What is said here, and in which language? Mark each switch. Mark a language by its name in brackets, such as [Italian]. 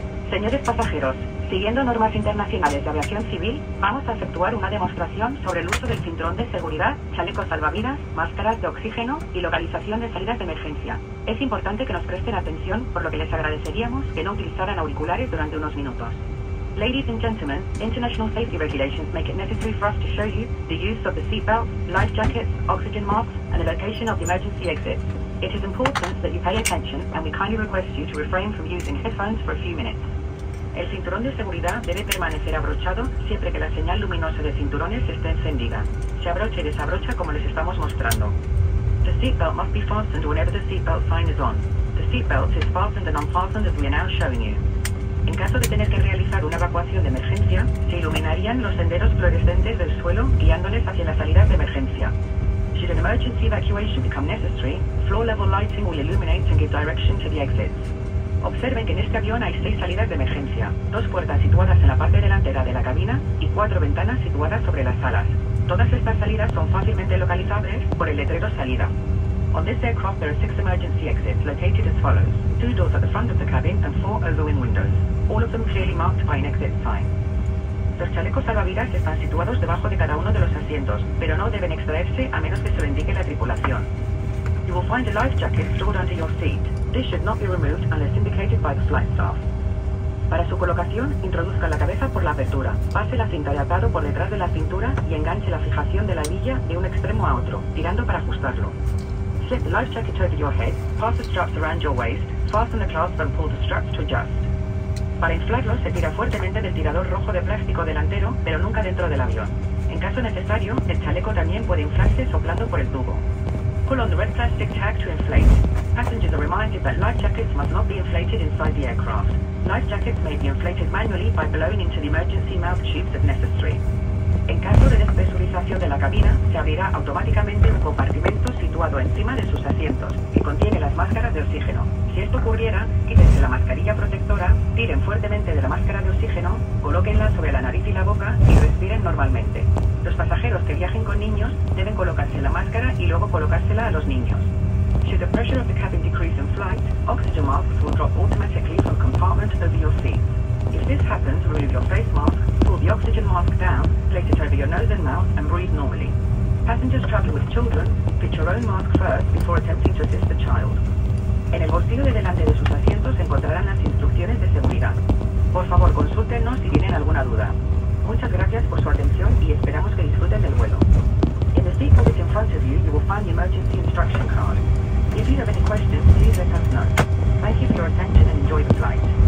[Spanish] Señores pasajeros, siguiendo normas internacionales de aviación civil, vamos a efectuar una demostración sobre el uso del cinturón de seguridad, chalecos salvavidas, máscaras de oxígeno y localización de salidas de emergencia. Es importante que nos presten atención, por lo que les agradeceríamos que no utilizaran auriculares durante unos minutos. [English] Ladies and gentlemen, international safety regulations make it necessary for us to show you the use of the seatbelt, life jackets, oxygen masks, and the location of the emergency exits. It is important that you pay attention, and we kindly request you to refrain from using headphones for a few minutes. [Spanish] El cinturón de seguridad debe permanecer abrochado siempre que la señal luminosa de cinturones esté encendida. Se abrocha y desabrocha como les estamos mostrando. [English] The seatbelt must be fastened whenever the seatbelt sign is on. The seatbelt is fastened and unfastened as we are now showing you. [Spanish] En caso de tener que realizar una evacuación de emergencia, se iluminarían los senderos fluorescentes del suelo guiándoles hacia las salidas de emergencia. [English] Should an emergency evacuation become necessary, floor-level lighting will illuminate and give direction to the exits. [Spanish] Observen que en este avión hay 6 salidas de emergencia, 2 puertas situadas en la parte delantera de la cabina y 4 ventanas situadas sobre las alas. Todas estas salidas son fácilmente localizables por el letrero salida. [English] On this aircraft there are 6 emergency exits located as follows. 2 doors at the front of the cabin and 4 overwing windows, all of them clearly marked by an exit sign. [Spanish] Los chalecos salvavidas están situados debajo de cada uno de los asientos, pero no deben extraerse a menos que se lo indique la tripulación. [English] You will find a life jacket stored under your seat. This should not be removed unless indicated by the flight staff. [Spanish] Para su colocación, introduzca la cabeza por la apertura, pase la cinta de atado por detrás de la cintura y enganche la fijación de la hebilla de un extremo a otro, tirando para ajustarlo. [English] Slip the life jacket over your head, pass the straps around your waist, fasten the clasp and pull the straps to adjust. [Spanish] Para inflarlo, se tira fuertemente del tirador rojo de plástico delantero, pero nunca dentro del avión. En caso necesario, el chaleco también puede inflarse soplando por el tubo. [English] pull on the red plastic tag to inflate. Passengers are reminded that life jackets must not be inflated inside the aircraft. Life jackets may be inflated manually by blowing into the emergency mouth tubes if necessary. [Spanish] En caso de despresurización de la cabina, se abrirá automáticamente un compartimento situado encima de sus asientos, que contiene las máscaras de oxígeno. Si esto ocurriera, quítense la mascarilla protectora, tiren fuertemente de la máscara de oxígeno, colóquenla sobre la nariz y la boca y respiren normalmente. Los pasajeros que viajen con niños deben colocarse la máscara y luego colocársela a los niños. [English] Should the pressure of the cabin decrease in flight, oxygen masks will drop automatically from compartment over your seat. If this happens, remove your face mask, pull the oxygen mask down, place it over your nose and mouth, and breathe normally. Passengers traveling with children, fit your own mask first before attempting to assist the child. [Spanish] En el bolsillo de delante de sus asientos encontrarán las instrucciones de seguridad. Por favor, consúltenos si tienen alguna duda. Muchas gracias por su atención y esperamos que disfruten del vuelo. [English] In the seat pocket in front of you, you will find the emergency instruction card. If you have any questions, please let us know. Thank you for your attention and enjoy the flight.